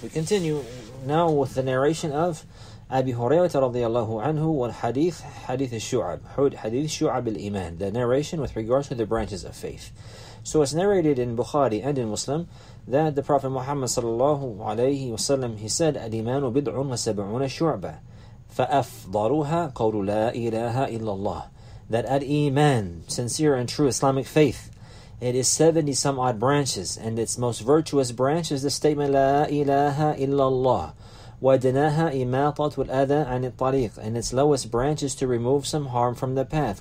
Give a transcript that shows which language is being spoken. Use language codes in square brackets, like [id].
[en] We continue now with the narration of Abi Hurairah radiallahu anhu, wal hadith al-Shu'ab, hadith Shu'ab al-Iman, the narration with regards to the branches of faith. So it's narrated in Bukhari and in Muslim that the Prophet Muhammad sallallahu alayhi wa sallam, he said, [ar] al-Imanu bid'un wa sab'una shu'ba, فأفضلها قول لا إله إلا الله. [en] That at Iman, sincere and true Islamic faith, it is 70 some odd branches, and its most virtuous branch is the statement [ar] لا إله إلا الله. ودناها إماطة الأذى عن الطريق, [en] and its lowest branch is to remove some harm from the path.